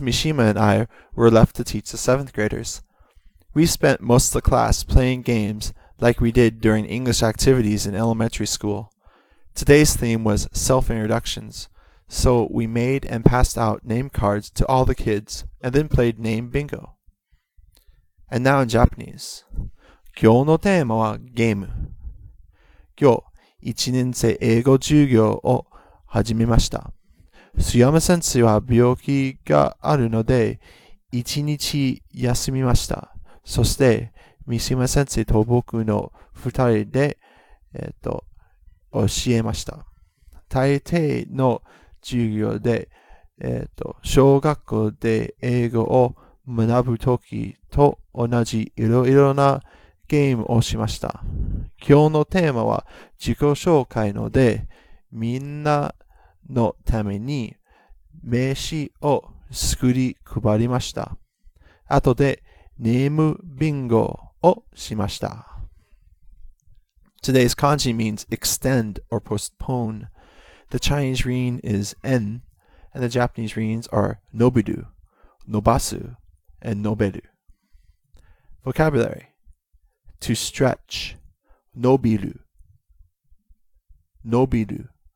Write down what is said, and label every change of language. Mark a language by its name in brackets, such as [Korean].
[English] Mishima and I were left to teach the 7th graders. We spent most of the class playing games like we did during English activities in elementary school. Today's theme was self-introductions. So we made and passed out name cards to all the kids, and then played name bingo. And now in Japanese. [Japanese] 今日のテーマはゲーム。今日、1年生英語授業を始めました。須山先生は病気があるので、1日休みました。そして、三島先生と僕の2人で、教えました。大抵の授業で、小学校で英語を学ぶときと同じいろいろなゲームをしました。今日のテーマは自己紹介ので、みんなのために名刺を作り配りました。あとでネームビンゴをしました。 [English] Today's kanji means extend or postpone. The Chinese reign is en, and the Japanese reigns are nobiru, nobasu, and noberu. Vocabulary. To stretch, nobiru, nobiru.